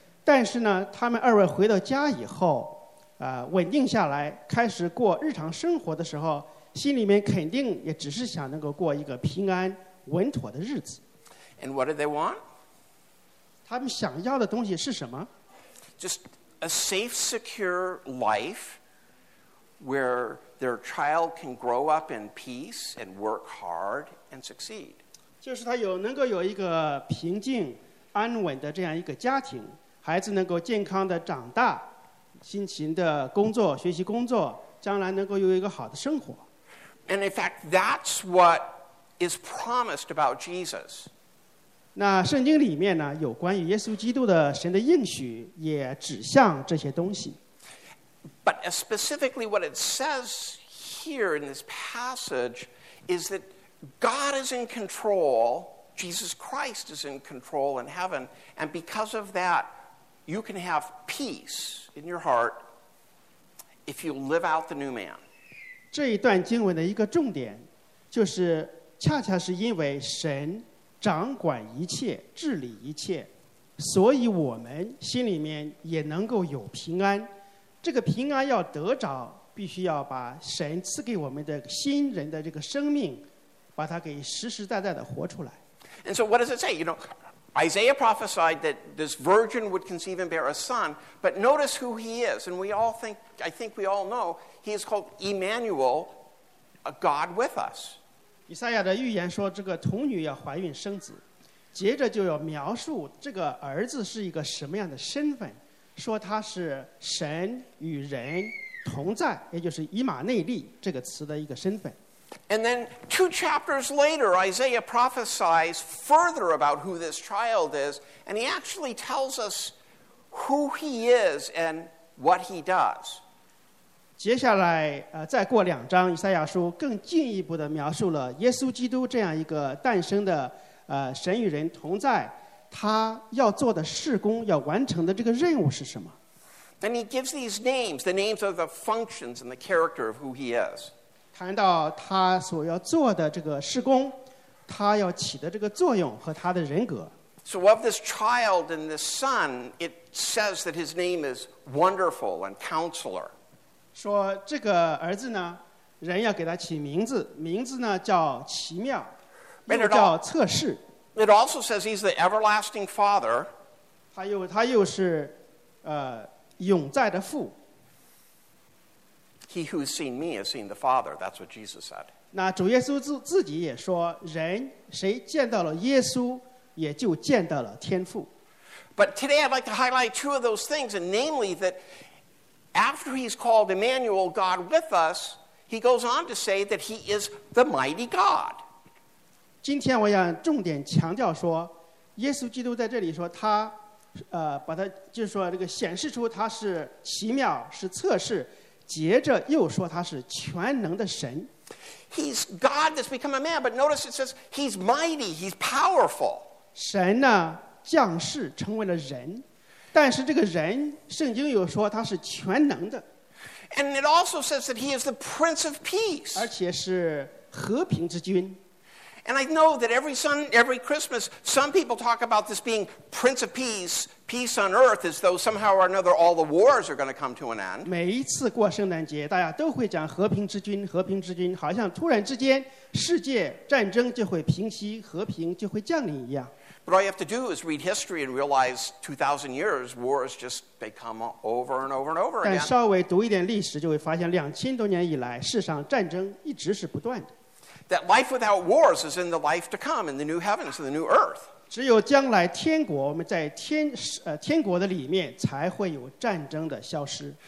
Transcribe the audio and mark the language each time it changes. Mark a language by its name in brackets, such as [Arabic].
[Chinese] 但是呢，他们二位回到家以后，稳定下来，开始过日常生活的时候，心里面肯定也只是想能够过一个平安稳妥的日子。 [English] And what did they want? [Chinese] 他们想要的东西是什么？ [English] Just a safe, secure life where their child can grow up in peace and work hard and succeed. [Chinese] 就是他有能够有一个平静安稳的这样一个家庭，孩子能够健康的长大，辛勤的工作，学习工作，将来能够有一个好的生活。 [English] And in fact, that's what is promised about Jesus. [Chinese] 那圣经里面呢，有关于耶稣基督的神的应许，也指向这些东西。 [English] But specifically what it says here in this passage is that God is in control, Jesus Christ is in control in heaven, and because of that, you can have peace in your heart if you live out the new man. [Chinese] 这一段经文的一个重点就是恰恰是因为神掌管一切，治理一切，所以我们心里面也能够有平安。这个平安要得着，必须要把神赐给我们的新人的这个生命，把它给实实在在的活出来。 [English] And so what does it say? You know, Isaiah prophesied that this virgin would conceive and bear a son, but notice who he is. And we all think, I think we all know, he is called Emmanuel, a God with us. [Chinese] 以赛亚的预言说这个童女要怀孕生子，接着就要描述这个儿子是一个什么样的身份，说他是神与人同在，也就是以马内利这个词的一个身份。 [English] And then two chapters later, Isaiah prophesies further about who this child is, and he actually tells us who he is and what he does. [Chinese] 接下来，再过两章，以赛亚书更进一步的描述了耶稣基督这样一个诞生的，神与人同在，他要做的事工，要完成的这个任务是什么。 [English] And he gives these names, the names of the functions and the character of who he is. [Chinese] 谈到他所要做的这个事工，他要起的这个作用和他的人格。 [English] So of this child and this son, it says that his name is Wonderful and Counselor. [Chinese] 说这个儿子呢，人要给他起名字，名字呢叫奇妙，又叫测试。 [English] It also says he's the Everlasting Father. [Chinese] 他又是，永在的父。 [English] He who has seen me has seen the Father. That's what Jesus said. [Chinese] 那主耶稣自己也说，人谁见到了耶稣，也就见到了天父。 [English] But today I'd like to highlight two of those things, and namely that after he's called Emmanuel, God with us, he goes on to say that he is the mighty God. [Chinese] 今天我想重点强调说，耶稣基督在这里说他，把他就是说这个显示出他是奇妙，是测试。接着又说他是全能的神。 [English] He's God that's become a man, but notice it says he's mighty, he's powerful. [Chinese] 神呢降世成为了人，但是这个人圣经又说他是全能的。 [English] And it also says that he is the Prince of Peace. [Chinese] 而且是和平之君。 [English] And I know that every Christmas, some people talk about this being Prince of Peace, peace on earth, as though somehow or another all the wars are going to come to an end. [Chinese] 每一次过圣诞节，大家都会讲和平之君，和平之君，好像突然之间世界战争就会平息，和平就会降临一样。 [English] But all you have to do is read history and realize 2,000 years, wars just they come over and over and over again. [Chinese] 但稍微读一点历史，就会发现2000多年以来，世上战争一直是不断的。 [English] That life without wars is in the life to come, in the new heavens and the new earth. [Chinese] 只有将来天国，我们在天国的里面才会有战争的消失。